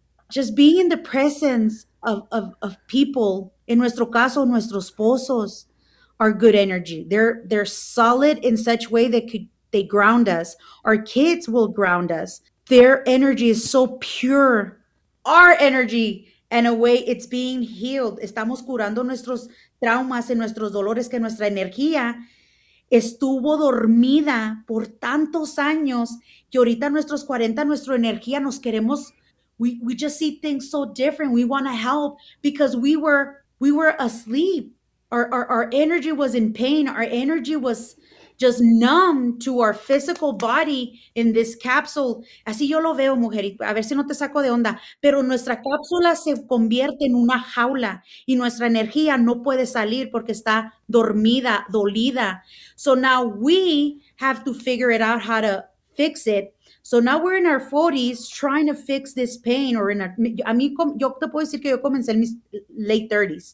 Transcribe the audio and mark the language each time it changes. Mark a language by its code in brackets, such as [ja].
[en] Just being in the presence of people, in [es] nuestro caso, nuestros esposos, [en] are good energy. They're solid in such way that they ground us. Our kids will ground us. Their energy is so pure. Our energy, in a way, it's being healed. [es] Estamos curando nuestros traumas y nuestros dolores, que nuestra energía estuvo dormida por tantos años que ahorita nuestros 40, nuestra energía nos queremos, [en] we just see things so different. We want to help because we were asleep. Our energy was in pain. Our energy was just numb to our physical body in this capsule. [es] Así yo lo veo, mujer, a ver si no te saco de onda. Pero nuestra cápsula se convierte en una jaula y nuestra energía no puede salir porque está dormida, dolida. [en] So now we have to figure it out how to fix it. So now we're in our 40s trying to fix this pain. [es] Yo te puedo decir que yo comencé en mis late 30s.